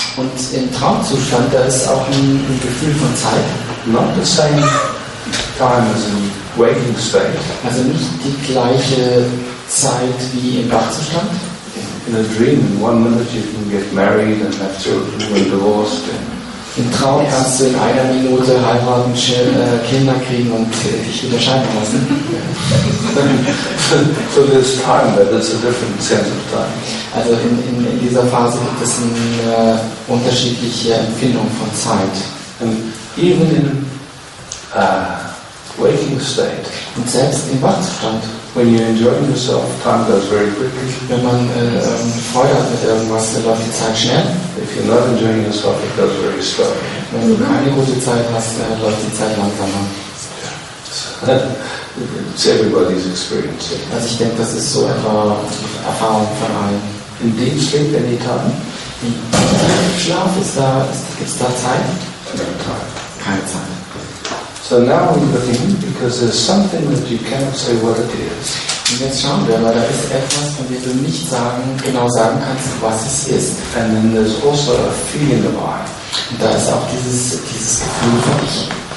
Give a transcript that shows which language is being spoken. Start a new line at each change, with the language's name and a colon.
German: Und im Traumzustand, da ist auch ein Gefühl von Zeit.
English: Not the same time as in waking state.
German: Also nicht die gleiche Zeit wie im Wachzustand.
English: In a dream, in one minute you can get married and have children and divorced. And
German: im Traum kannst du in einer Minute heiraten, Kinder kriegen und dich wieder scheiden lassen.
English: So there's time, but there's a different sense of time.
German: Also in dieser Phase gibt es eine unterschiedliche Empfindung von Zeit.
English: And even in waking state.
German: Und selbst im Wachzustand.
English: When you're enjoying yourself, time goes very quickly.
German: Wenn man Freude hat mit irgendwas, dann läuft die Zeit schnell.
English: If you're not enjoying yourself, it goes very slow.
German: Wenn du keine gute Zeit hast, dann läuft die Zeit langsamer.
English: It's everybody's experience.
German: Also ich denke, das ist so etwa Erfahrung von allen.
English: In deep sleep, any time?
German: Schlaf, gibt's da Zeit? Keine Zeit.
English: So now we begin because there's something that you cannot say what it is.
German: Und jetzt schauen wir, weil da ist etwas, von dem du nicht sagen, genau sagen kannst, was es ist.
English: And then there's also a feeling of I.
German: Und da ist auch dieses Gefühl von ich.